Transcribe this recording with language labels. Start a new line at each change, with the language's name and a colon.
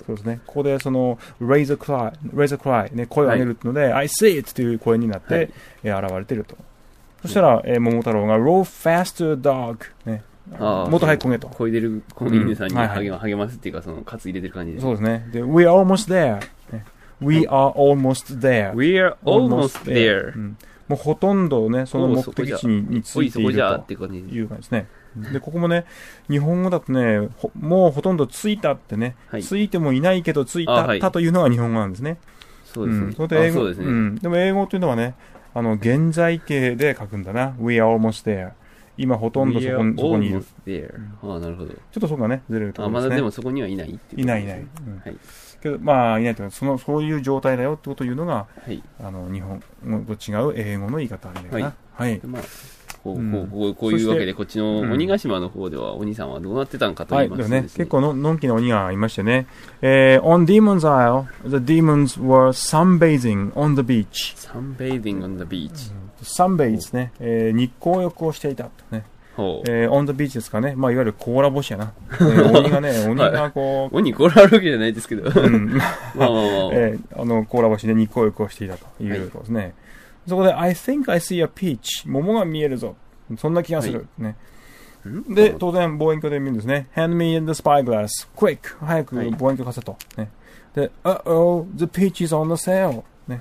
Japanese: はい。そうですね。ここでその、raise a cry、ね、声を上げるので、はい、
English: I see it
Japanese: という声になって、はい、現れていると。そしたら、はい、桃太郎が、
English: roll faster dog.、
Japanese: ね、あ、もっと早く焦げと。声出る犬さんに励ますっていうか、その、カツ入れてる感じで。そうですね。
English: で、we are almost there.、ね、we are almost there. We are almost there.、
Japanese: もうほとんどね、その目的地についているという感じですね。で、ここもね、日本語だとね、もうほとんど着いたってね、はい、着いてもいないけど着いたというのが日本語なんですね。そうですね。うん、それで英語、でも英語というのはね、あの現在形で書くんだな。
English: We are almost there。
Japanese: 今ほとんどそこにいる。うん、ああ、なるほど。ちょっとそこがね、ずれるところですね。まだでもそこにはいないっていう、ね。いないいない。うん、はい。けど、まあ、いないというか、そういう状態だよってことを言うのが、はい、あの日本語と違う英語の言い方なんだよな。はい。まあ、こういうわけで、こっちの鬼ヶ島の方では、うん、鬼さんはどうなってたんかと言いますと、ね。結構のんきな鬼がいましてね。
English: On Demon's Isle, the demons were sunbathing on the beach. Sunbathing on the beach.、うん、
Japanese: Sunbathe ですね、日光浴をしていたとね、オンザビーチですかね、まあ、いわゆるコーラ星やな、鬼がね、鬼がこう、はい、鬼コーラあるわけじゃないですけど、コーラ星で日光浴をしていたということですね、はい、そこで、
English: I think I see a peach、
Japanese: 桃が見えるぞ、そんな気がする、はいね、で、当然、望遠鏡で見るんですね、
English: Hand me in the spyglass, quick、
Japanese: 早く望遠鏡貸せと、はいね、で、
English: Uh-oh, the peach is on the sail、
Japanese: ね、